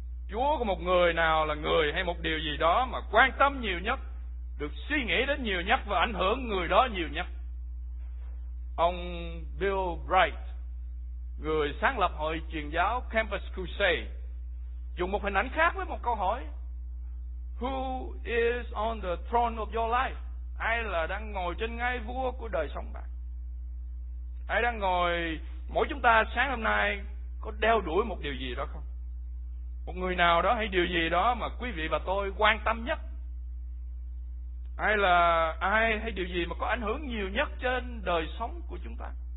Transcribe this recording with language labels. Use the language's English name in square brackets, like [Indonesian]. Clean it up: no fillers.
[Vietnamese] Chúa của một người nào là người hay một điều gì đó mà quan tâm nhiều nhất, được suy nghĩ đến nhiều nhất và ảnh hưởng người đó nhiều nhất. Ông Bill Bright, người sáng lập hội truyền giáo Campus Crusade, dùng một hình ảnh khác với một câu hỏi. [English] Who is on the throne of your life? [Vietnamese] Ai là đang ngồi trên ngai vua của đời sống bạn? Ai đang ngồi, mỗi chúng ta sáng hôm nay có đeo đuổi một điều gì đó không? Một người nào đó hay điều gì đó mà quý vị và tôi quan tâm nhất? Ai là ai hay điều gì mà có ảnh hưởng nhiều nhất trên đời sống của chúng ta?